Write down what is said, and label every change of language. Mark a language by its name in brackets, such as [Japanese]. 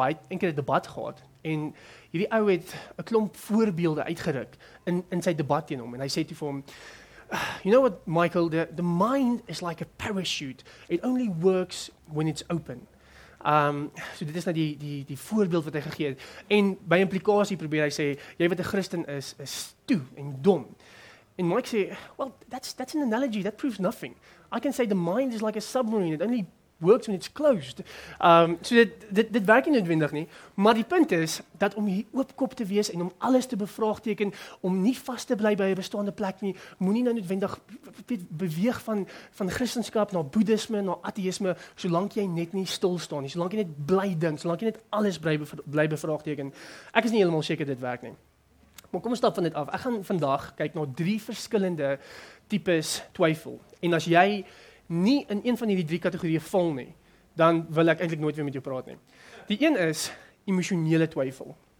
[Afrikaans] Hy het een keer 'n debat gehad, en hierdie ou het 'n klomp voorbeelde uitgeruk in sy debat teen hom, en hy sê toe vir hom, [English] you know what, Michael, the mind is like a parachute. It only works when it's open. [Afrikaans] So dit is nou die voorbeeld wat hy gegee het. En by implikasie probeer hy sê, jy wat 'n Christen is stoe en dom. En Mike sê, [English] well, that's an analogy, that proves nothing. I can say the mind is like a submarine, it only works when it's closed. [Afrikaans] So dit werk nie noodwendig nie, maar die punt is, dat om hier oopkop te wees en om alles te bevraagteken, om nie vast te bly by 'n bestaande plek nie, moet nie nou noodwendig beweeg van Christendom na boeddhisme, na ateïsme, solank jy net nie stil staan nie, solank jy net bly dink, solank jy net alles bly bevraagteken. Ek is nie helemaal seker dit werk nie. Maar kom ons stap van dit af. Ek gaan vandag kyk na 3 verskillende types twyfel. En as jy nie in een van die 3 kategorieë val nie, dan wil ek eintlik nooit weer met jou praat nie. Die een is emosionele twyfel.